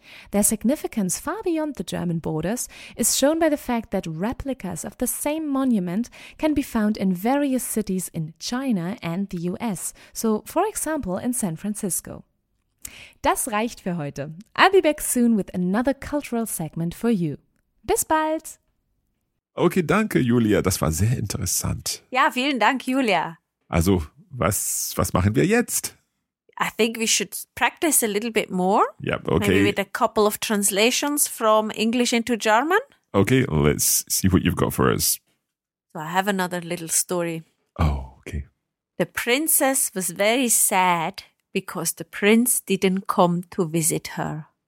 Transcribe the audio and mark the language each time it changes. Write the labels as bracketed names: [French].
[English] Their significance far beyond the German borders is shown by the fact that replicas of the same monument can be found in various cities in China and the US, so for example in San Francisco. [German] Das reicht für heute. [English] I'll be back soon with another cultural segment for you. [German] Bis bald! Okay, danke Julia, das war sehr interessant. Ja, vielen Dank Julia. Also, was machen wir jetzt? [English] I think we should practice a little bit more. Yep, okay. Maybe with a couple of translations from English into German. Okay, let's see what you've got for us. So I have another little story. Oh, okay. The princess was very sad because the prince didn't come to visit her.